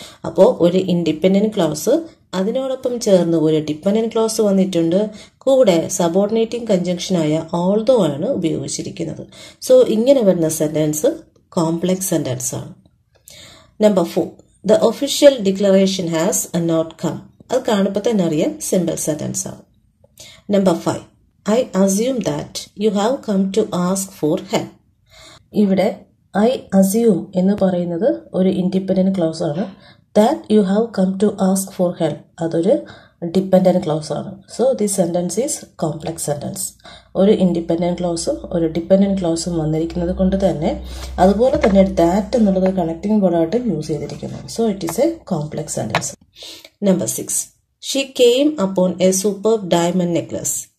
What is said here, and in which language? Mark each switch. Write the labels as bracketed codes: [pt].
[ml] അപ്പോൾ ഒരു independent close, അതിനോടൊപ്പം ചേർന്ന് ഒരു ഡിപ്പെൻഡൻറ്റ് ക്ലോസ് വന്നിട്ടുണ്ട്, കൂടെ സബോർഡിനേറ്റിംഗ് കൺജങ്ഷനായ ഓൾദോ ആണ് ഉപയോഗിച്ചിരിക്കുന്നത്. സോ ഇങ്ങനെ വരുന്ന സെൻറ്റൻസ് കോംപ്ലക്സ് സെൻറ്റൻസ് ആണ്. [en] Number 4, the official declaration has not come. [ml] അത് കാണുമ്പോൾ തന്നെ അറിയാം സിമ്പിൾ സെൻറ്റൻസ് ആണ്. [en] Number 5, I assume that you have come to ask for help. [ml] ഇവിടെ [en] I assume [ml] എന്ന് പറയുന്നത് ഒരു ഇൻഡിപെൻഡൻറ്റ് ക്ലോസ് ആണ്. [en] That you have come to ask for help, [ml] അതൊരു ഡിപ്പെൻഡൻറ്റ് ക്ലോസ് ആണ്. [en] So this sentence is complex sentence. [ml] ഒരു independent ക്ലോസും ഒരു dependent ക്ലോസും വന്നിരിക്കുന്നത് കൊണ്ട് തന്നെ അതുപോലെ തന്നെ ദാറ്റ് എന്നുള്ളത് കണക്ടിംഗ് വേർഡായിട്ട് യൂസ് ചെയ്തിരിക്കുന്നു. [en] So it is a complex sentence. Number 6, she came upon a super diamond necklace.